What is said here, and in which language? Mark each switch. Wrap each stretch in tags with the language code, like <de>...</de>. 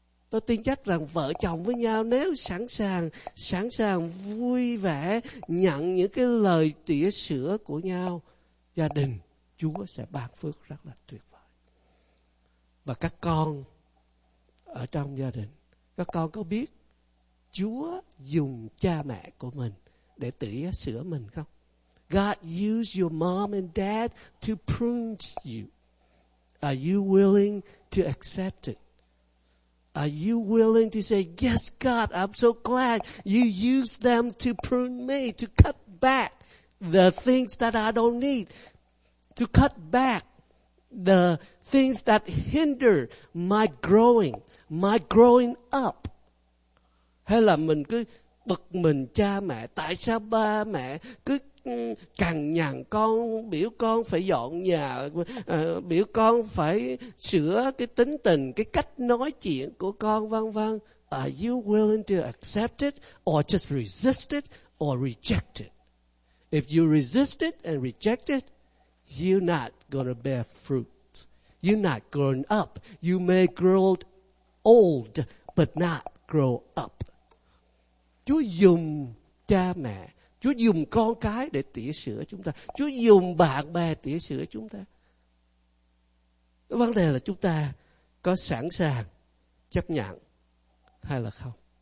<vi>Tôi tin chắc rằng vợ chồng với nhau nếu sẵn sàng vui vẻ nhận những cái lời tỉa sữa của nhau, gia đình Chúa sẽ ban phước rất là tuyệt vời. Và các con ở trong gia đình, các con có biết Chúa dùng cha mẹ của mình để tỉa sữa mình không?</vi> <en>God use your mom and dad to prune you. Are you willing to accept it? Are you willing to say, yes, God, I'm so glad you used them to prune me, to cut back the things that I don't need, to cut back the things that hinder my growing up.</en> <vi>Hay là mình cứ bực mình cha mẹ, tại sao ba mẹ cứ cằn nhằn con, biểu con phải dọn nhà, biểu con phải sửa cái tính tình, cái cách nói chuyện của con, vân vân.</vi> <en>Are you willing to accept it or just resist it or reject it? If you resist it and reject it, you're not going to bear fruit. You're not growing up. You may grow old, but not grow up.</en> <vi>Chúa dùng cha mẹ, Chúa dùng con cái để tỉa sữa chúng ta. Chúa dùng bạn bè tỉa sữa chúng ta. Vấn đề là chúng ta có sẵn sàng chấp nhận hay là không.</vi>